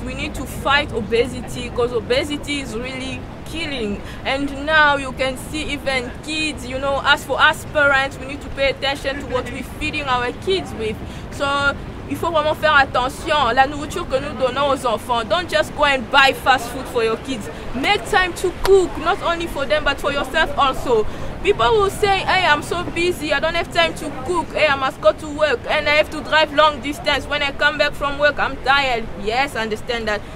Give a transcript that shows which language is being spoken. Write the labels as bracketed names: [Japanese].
[English] We need to fight obesity, because obesity is really killing. And now you can see even kids, you know, as for us parents, we need to pay attention to what we're feeding our kids with. [French] So, il faut vraiment faire attention, la nourriture que nous donnons aux enfants. [English] Don't just go and buy fast food for your kids. Make time to cook, not only for them, but for yourself also. People will say, hey, I'm so busy, I don't have time to cook. Hey, I must go to work and I have to drive long distance. When I come back from work, I'm tired. Yes, I understand that.